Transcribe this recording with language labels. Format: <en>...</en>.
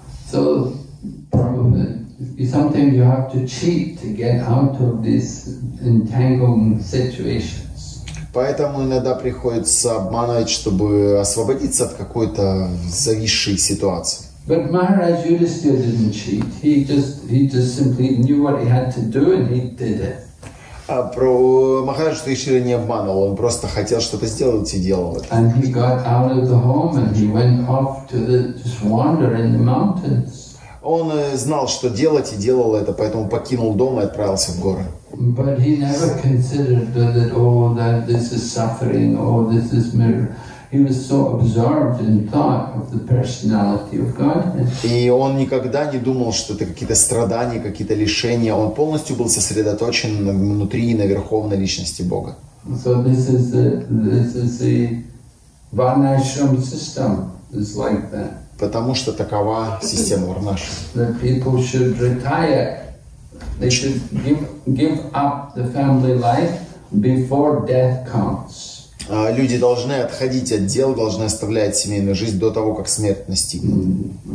<en>So, sometimes you have to cheat to get out of these entangling situations.</en> <ru>Поэтому иногда приходится обманывать, чтобы освободиться от какой-то зависшей ситуации.</ru> <en>But Maharaj Yudhisthira didn't cheat. He just simply knew what he had to do and he did it.</en> <ru>Махарадж Юдхиштхира не обманывал, он просто хотел что-то сделать и делал это.</ru> <en>And he got out of the home and he went off to just wander in the mountains.</en> <ru>Он знал, что делать и делал это, поэтому покинул дом и отправился в горы.</ru> <en>But he never considered that all that this is suffering, all this is miracle. He was so absorbed in thought of the personality of Godhead.</en> <ru>И он никогда не думал, что это какие-то страдания, какие-то лишения. Он полностью был сосредоточен внутри на верховной личности Бога.</ru> <en>So this is the Varnashram system is like that.</en> <ru>Потому что такова система Варнашрама.</ru> <en>That people should retire. They should give up the family life before death comes.</en> <ru>Люди должны отходить от дел, должны оставлять семейную жизнь до того, как смерть настигнет.</ru>